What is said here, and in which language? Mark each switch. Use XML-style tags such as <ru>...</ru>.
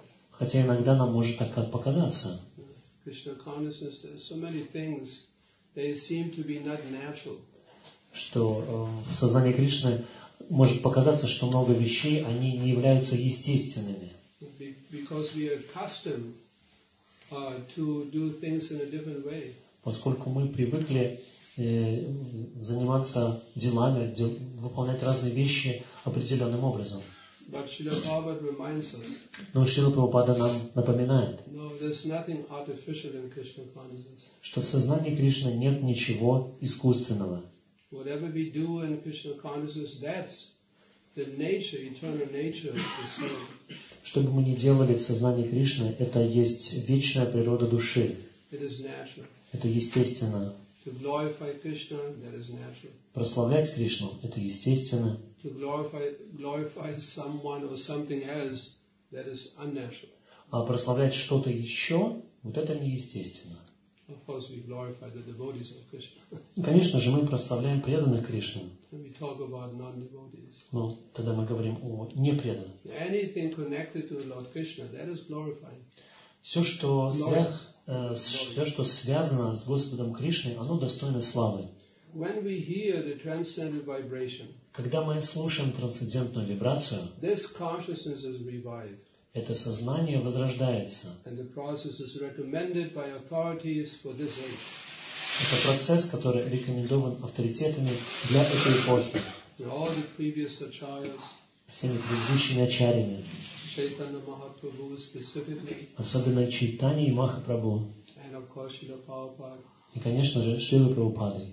<ru>Хотя иногда нам может так показаться.</ru> <en>Krishna consciousness, there are so many things, they seem to be not natural.</en> <ru>Что в сознании Кришны может показаться, что много вещей, они не являются естественными.</ru> <en>Because we are accustomed to do things in a different way.</en> <ru>Поскольку мы привыкли заниматься делами, выполнять разные вещи определенным образом.</ru> <en>But Srila Prabhupada reminds us.</en> <ru>Но Шрила Прабхупада нам напоминает,</ru> <en>no, there's nothing artificial in Krishna consciousness.</en> <ru>Что в сознании Кришны нет ничего искусственного.</ru> <en>Whatever we do in Krishna consciousness, that's the nature, eternal nature of the soul.</en> <ru>Что бы мы ни делали в сознании Кришны, это есть вечная природа души.</ru> <en>It is natural.</en> <ru>Это естественно.</ru> <en>To glorify Krishna, that is natural.</en> <ru>Прославлять Кришну – это естественно.</ru> <en>To glorify someone or something else, that is unnatural.</en> <ru>А прославлять что-то еще – вот это неестественно.</ru> <en>Of course, we glorify the devotees of Krishna.</en> <ru>Конечно же, мы прославляем преданных Кришну.</ru> <en>And we talk about non-devotees.</en> <ru>Но тогда мы говорим о непреданных.</ru> <en>Anything connected to Lord Krishna, that is glorifying.</en> <ru>Все, что связано. Все, что связано с Господом Кришной, оно достойно славы.</ru> <en>When we hear the transcendental vibration,</en> <ru>когда мы слушаем трансцендентную вибрацию,</ru> <en>this consciousness is revived.</en> <ru>Это сознание возрождается.</ru> <en>And the process is recommended by authorities for this age.</en> <ru>Это процесс, который рекомендован авторитетами для этой эпохи.</ru> <en>All the previous acharyas,</en> <ru>всеми предыдущими ачарьями.</ru> <en>Chaitanya Mahaprabhu specifically.</en> <ru>Особенно Чайтанья и Махапрабху.</ru> <en>And of course, Srila Prabhupada.</en> <ru>И, конечно же, Шрила Прабхупада.</ru>